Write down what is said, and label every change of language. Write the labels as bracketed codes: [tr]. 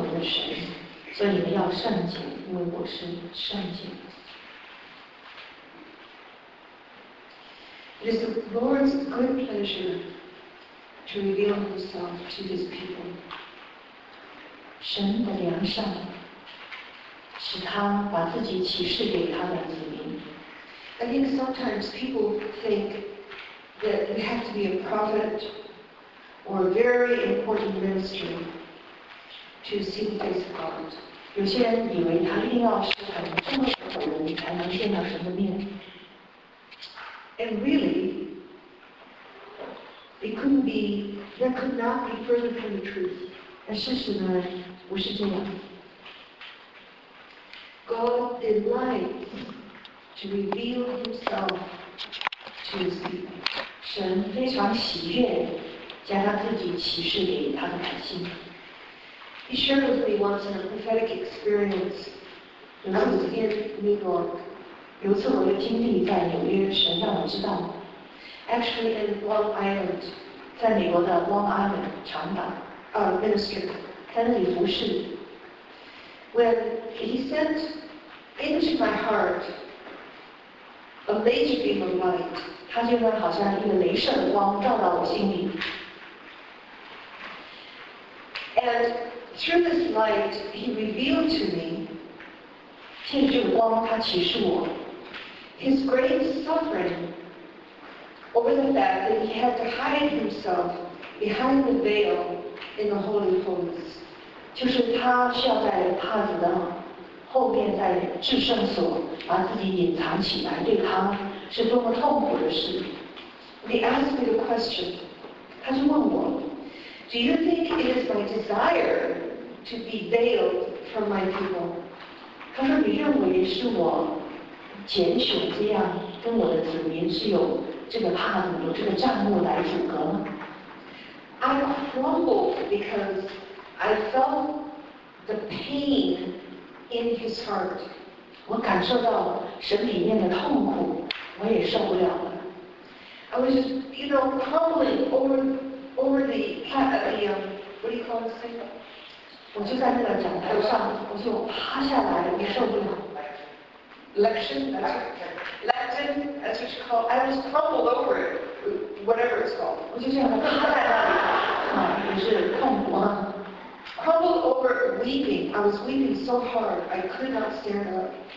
[zh] 所以你们要成为圣洁，因为我是圣洁的。你们也不可在地上的毫无污秽自己。我是把你们从埃及地领出来的耶和华，要做你们的神。所以你们要圣洁，因为我是圣洁的。 [en] It is the Lord's good pleasure to reveal himself to his people. [zh] 神的良善使他把自己启示给他的子民。 [en] I think sometimes people think that you have to be a prophet or a very important minister to see the face of God. [zh] 有些人以为他一定要是很重要的人才能见到神的面。 [en] And really, it couldn't be, that could not be further from the truth. [zh] 但事实呢，不是这样。 [en] God delights to reveal himself to his people. [zh] 神非常喜悦将他自己启示给他的百姓。 [en] He shared with me once in a prophetic experience when I was in New York. [zh] 有次我的经历在纽约，神让我知道。 [en] Actually in Long Island. [zh] 在美国的 Long Island 长岛。 [en] Ministry. [zh] 在那里服侍。 [en] When he sent into my heart a laser beam of light, [zh] 他就像好像一个雷射的光照到我心里。 [en] And through this light, he revealed to me, [zh] 借着光他启示我 [en] his great suffering over the fact that he had to hide himself behind the veil in the Holy of Holies. [zh] 就是他需要在帕子的后面，在至圣所把自己隐藏起来，对他是多么痛苦的事。 [en] He asked me a question. [zh] 他就问我 [en] ，Do you think it is my desire to be veiled from my people? [zh] 他说你认为是我拣选这样跟我的子民是有这个帕子，有这个帐幕来阻隔吗 [en] ？I crumbled because. I felt the pain in his heart. [zh] 我感受到神里面的痛苦，我也受不了了。 [en] I was just, you know, crumbling over the what do you call this thing? [zh] 我就在那个讲台上，我就趴下来，我受不了。 [en] Lectern, as you should call, I was crumbled over it, whatever it's called. [zh] 我就这样趴在那里，也是痛苦啊。 [en] Crumbled over weeping, I was weeping so hard I could not stand up.